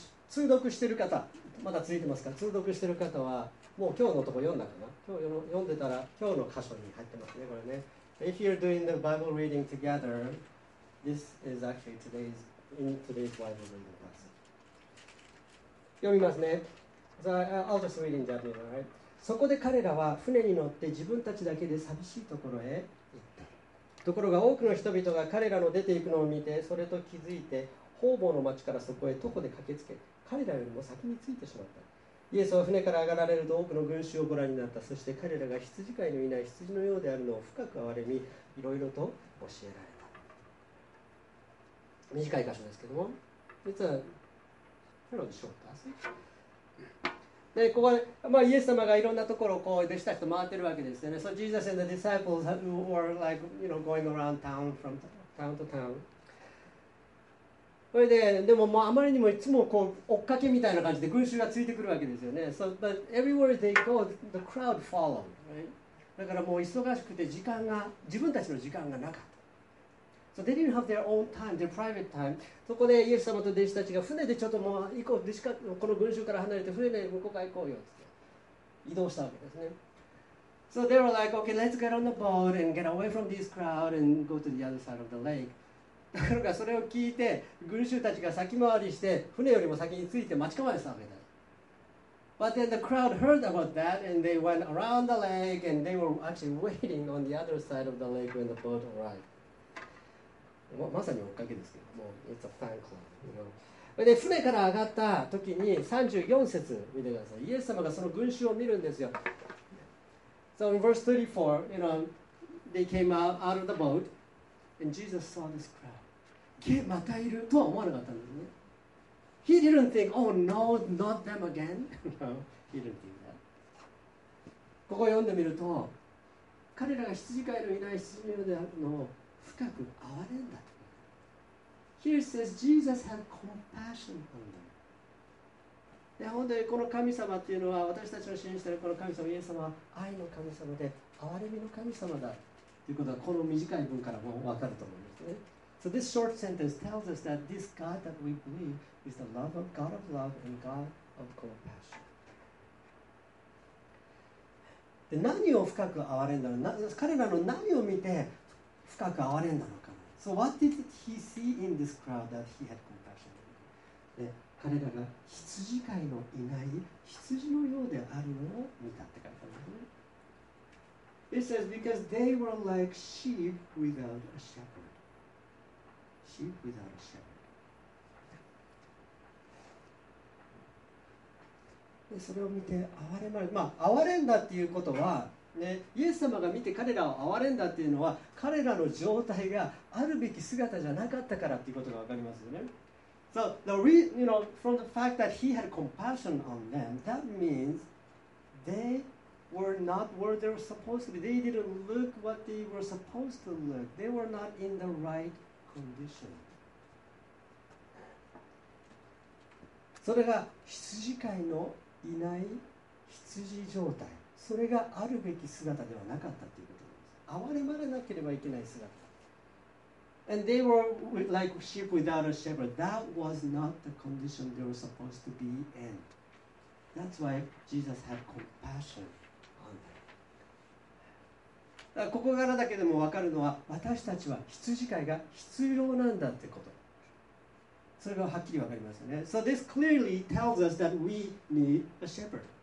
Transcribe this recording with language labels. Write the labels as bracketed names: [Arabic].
[Japanese] 通読してる方、まだついてますか？通読してる方はもう今日のとこ読んだかな？今日読んでたら今日の箇所に入ってますね、これね。 [English] If you're doing the Bible reading together, this is actually today's, in today's Bible reading passage. [Japanese] 読みますね。 [English] So, I'll just read in Japanese, all right? [Japanese] そこで彼らは船に乗って自分たちだけで寂しいところへ行った。ところが多くの人々が彼らの出て行くのを見て、それと気づいて、方々の町からそこへ徒歩で駆けつけ、彼らよりも先に着いてしまった。イエスは船から上がられると多くの群衆をご覧になった。そして彼らが羊飼いのいない羊のようであるのを深く憐れみ、いろいろと教えられた。短い箇所ですけども、実は、フェローでしょうか。で、ここは、まあ、イエス様がいろんなところをこう弟子たちと回ってるわけですよね。 [English] So Jesus and the disciples were like, you know, going around town from town to town. [Japanese] それで、でももうあまりにもいつもこう追っかけみたいな感じで群衆がついてくるわけですよね。 [English] So, but everywhere they go, the crowd followed, right? [Japanese] だからもう忙しくて時間が、自分たちの時間がなかった。 [English] So they didn't have their own time, their private time. [Japanese] そこでイエス様と弟子たちが船でちょっともう行こう、弟子か、この群衆から離れて船で向こうから行こうよって移動したわけですね。 [English] So they were like, okay, let's get on the boat and get away from this crowd and go to the other side of the lake. [Japanese] ところがそれを聞いて群衆たちが先回りして船よりも先に着いて待ち構えたわけだ。 [English] But then the crowd heard about that and they went around the lake and they were actually waiting on the other side of the lake when the boat arrived. [Japanese] まさに追っかけですけど、もう [English] it's a fan club, you know. [Japanese] で船から上がった時に34節見てください。イエス様がその群衆を見るんですよ。 [English] So in verse 34, you know, they came out of the boat. And Jesus saw this crowd. [Japanese] またいるとは思わなかったんですね。 [English] He didn't think, oh no, not them again. No, he didn't think that. [Japanese] ここを読んでみると、彼らが羊飼いのいない羊のようであるのを深く憐れんだと。 [English] Here says Jesus had compassion on them. [Japanese] で、本当にこの神様っていうのは、私たちの信じているこの神様、イエス様は愛の神様で、憐れみの神様だ。ということはこの短い文からも分かると思うんですね。 [English] So this short sentence tells us that this God that we believe is the love of God of love and God of compassion. [Japanese] で何を深く憐れんだのか、彼らの何を見て深く憐れんだのか。 [English] So what did he see in this crowd that he had compassion? [Japanese] で彼らが羊飼いのいない羊のようであるのを見たって書いてあるんですね。 [English] It says, because they were like sheep without a shepherd. Sheep without a shepherd. [Japanese] でそれを見て憐れまれ、まあ憐れんだっていうことは、ね、イエス様が見て彼らを憐れんだっていうのは、彼らの状態があるべき姿じゃなかったからっていうことがわかりますよね。 [English] So, the reason, you know, from the fact that he had compassion on them, that means they... were not where they were supposed to be. They didn't look what they were supposed to look. They were not in the right condition. [Japanese] それが羊飼いのいない羊状態。それがあるべき姿ではなかったということです。憐れまれなければいけない姿。 [English] And they were like sheep without a shepherd. That was not the condition they were supposed to be in. That's why Jesus had compassion. [Japanese] だここからだけでも分かるのは、私たちは羊飼いが必要なんだってこと。それがはっきり分かりますよね。 [English] So this clearly tells us that we need a shepherd.